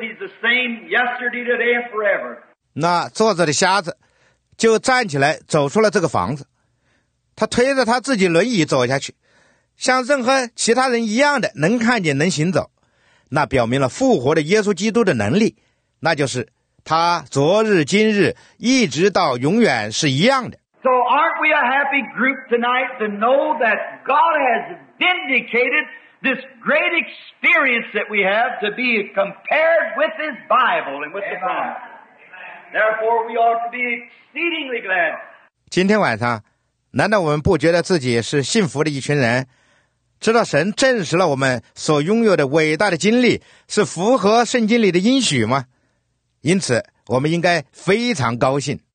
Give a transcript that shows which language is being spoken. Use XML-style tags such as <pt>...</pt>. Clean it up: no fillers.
<en>He's the same yesterday, today, and forever.</en> <zh>那坐着的瞎子就站起来走出了这个房子。他推着他自己轮椅走下去，像任何其他人一样的能看见能行走。那表明了复活的耶稣基督的能力，那就是他昨日今日一直到永远是一样的。</zh> <en>So aren't we a happy group tonight to know that God has vindicated this great experience that we have to be compared with His Bible and with the Bible. Therefore, we ought to be exceedingly glad.</en> <zh>今天晚上，难道我们不觉得自己是幸福的一群人？知道神证实了我们所拥有的伟大的经历是符合圣经里的应许吗？因此，我们应该非常高兴。</zh>